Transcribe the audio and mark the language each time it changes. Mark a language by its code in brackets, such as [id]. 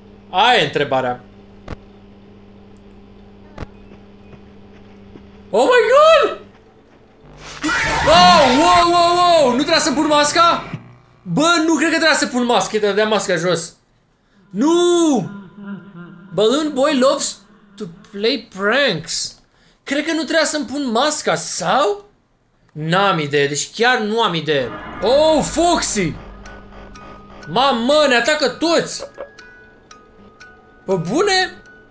[ro] Aia e întrebarea. Oh my god! Oh, wow, wow, wow! Nu trebuia să pun masca? Bă, nu cred că trebuia să pun masca, te dea masca jos. Nu! [en] Balloon Boy loves to play pranks. [ro] Cred că nu trebuia să-mi pun masca, sau? N-am idee, deci chiar nu am idee. Oh, Foxy! Mamă, ne atacă toți! Pă bune?